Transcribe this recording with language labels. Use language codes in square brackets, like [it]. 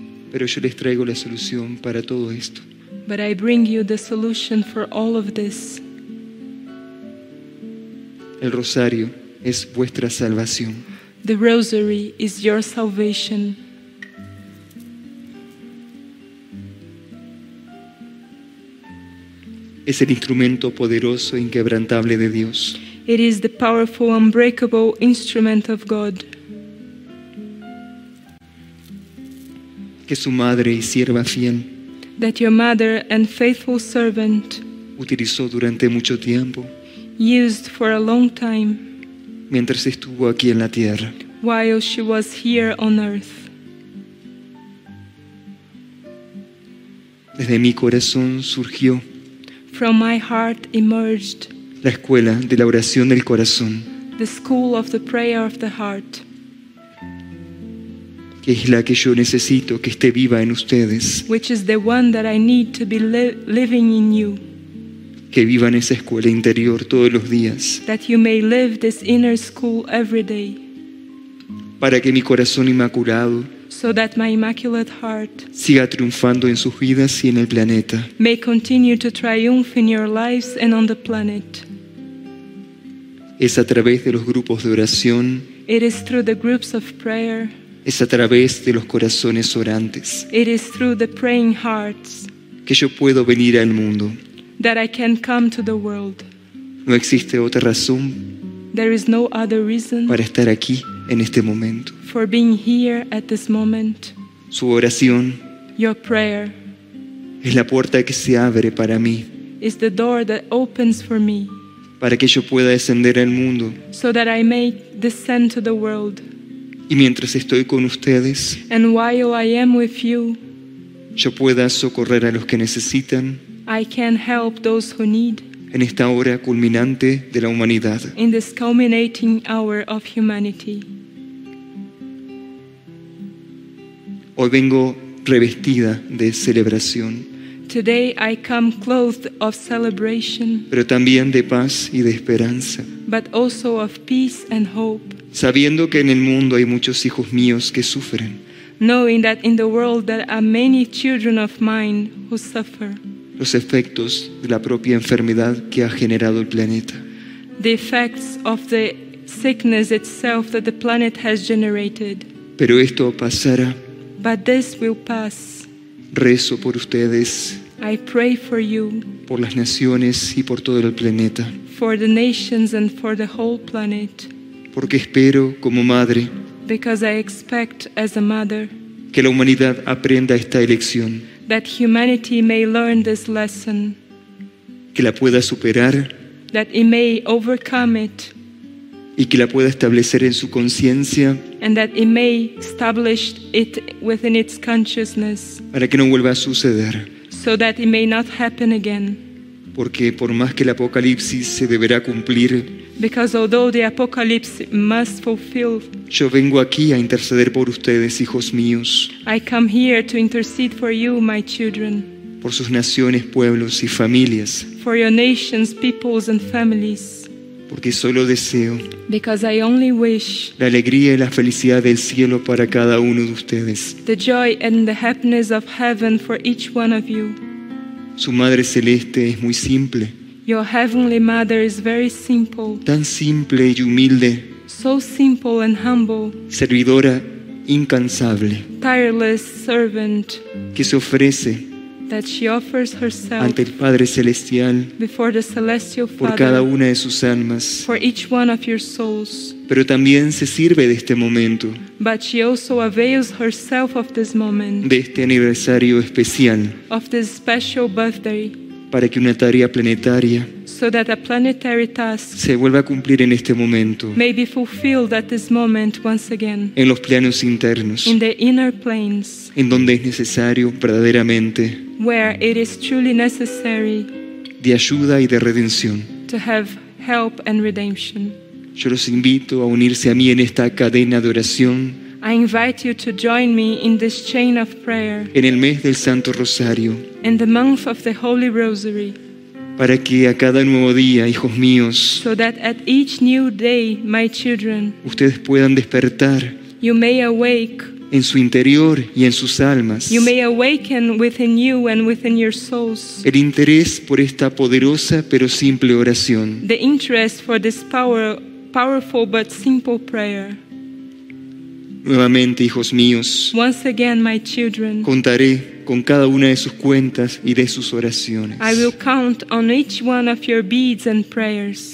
[es] Pero yo les traigo la solución para todo esto. [en] But I bring you the solution for all of this. [es] El rosario es vuestra salvación. [en] The rosary is your salvation. [es] Es el instrumento poderoso e inquebrantable de Dios. [en] It is the powerful, unbreakable instrument of God. [es] Que su madre y sierva fiel. [en] That your mother and faithful servant. [es] Utilizó durante mucho tiempo. [en] Used for a long time. [es] Mientras estuvo aquí en la tierra. [en] While she was here on earth. [es] Desde mi corazón surgió. [en] From my heart emerged [es] la escuela de la oración del corazón, [en] the school of the prayer of the heart, [es] que es la que yo necesito que esté viva en ustedes, [en] which is the one that I need to be living in you, [es] que vivan esa escuela interior todos los días, [en] that you may live this inner school every day, [es] para que mi corazón inmaculado, [en] so that my immaculate heart [es] siga triunfando en sus vidas y en el planeta, [en] may continue to triumph in your lives and on the planet. [es] Es a través de los grupos de oración. [en] It is through the groups of prayer. [es] Es a través de los corazones orantes. [en] It is through the praying hearts. [es] Que yo puedo venir al mundo. [en] That I can come to the world. [es] No existe otra razón. [en] There is no other reason. [es] Para estar aquí en este momento. [en] For being here at this moment. [es] Su oración. [en] Your prayer. [es] Es la puerta que se abre para mí. [en] Is the door that opens for me. [es] Para que yo pueda descender al mundo. [en] So that I may descend to the world. [es] Y mientras estoy con ustedes, [en] and while I am with you, [es] yo pueda socorrer a los que necesitan. [en] I can help those who need. [es] En esta hora culminante de la humanidad. [en] In this culminating hour of humanity. [es] Hoy vengo revestida de celebración. [en] Today I come clothed of celebration, [es] pero también de paz y de esperanza, [en] but also of peace and hope, [es] sabiendo que en el mundo hay muchos hijos míos que sufren, [en] knowing that in the world there are many children of mine who suffer, [es] los efectos de la propia enfermedad que ha generado el planeta, [en] the effects of the sickness itself that the planet has generated, [es] pero esto pasará, [en] but this will pass. [es] Rezo por ustedes. [en] I pray for you. [es] Por las naciones y por todo el planeta. [en] For the nations and for the whole planet. [es] Porque espero como madre. [en] Because I expect as a mother. [es] Que la humanidad aprenda esta lección. [en] That humanity may learn this lesson. [es] Que la pueda superar. [en] That it may overcome it. [es] Y que la pueda establecer en su conciencia. [en] And that it may establish it within its consciousness. [es] Para que no vuelva a suceder. [en] So that it may not happen again. [es] Porque por más que el apocalipsis se deberá cumplir. [en] Because although the apocalypse must fulfill. [es] Yo vengo aquí a interceder por ustedes, hijos míos. [en] I come here to intercede for you, my children. [es] Por sus naciones, pueblos y familias. [en] For your nations, peoples and families. [es] Porque solo deseo. [en] Because I only wish. [es] La alegría y la felicidad del cielo para cada uno de ustedes. [en] The joy and the happiness of heaven for each one of you. [es] Su madre celeste es muy simple. [en] Your heavenly mother is very simple. [es] Tan simple y humilde. [en] So simple and humble. [es] Servidora incansable. [en] Tireless servant. [es] Que se ofrece. [en] That she offers herself [es] ante el Padre Celestial, [en] before the Celestial Father, [es] por cada una de sus almas, [en] for each one of your souls. [es] Pero también se sirve de este momento, [en] but she also avails herself of this moment, [es] de este aniversario especial, [en] of this special birthday, [es] para que una tarea planetaria, [en] so that a planetary task, [es] se vuelva a cumplir en este momento, [en] may be fulfilled at this moment once again, [es] en los planos internos, [en] in the inner planes, [es] en donde es necesario verdaderamente, [en] where it is truly necessary, [es] de ayuda y de redención, [en] to have help and redemption. [es] Yo los invito a unirse a mí en esta cadena de oración. [en] I invite you to join me in this chain of prayer. [es] En el mes del Santo Rosario. [en] In the month of the Holy Rosary. [es] Para que a cada nuevo día, hijos míos. [en] So that at each new day, my children. [es] Ustedes puedan despertar. [en] You may awake. [es] En su interior y en sus almas. [en] You may awaken within you and within your souls. [es] El interés por esta poderosa pero simple oración. [en] The interest for this powerful but simple prayer. [es] Nuevamente, hijos míos, [en] once again, my children, [es] contaré con cada una de sus cuentas y de sus oraciones. [en] I will count on each one of your beads and prayers.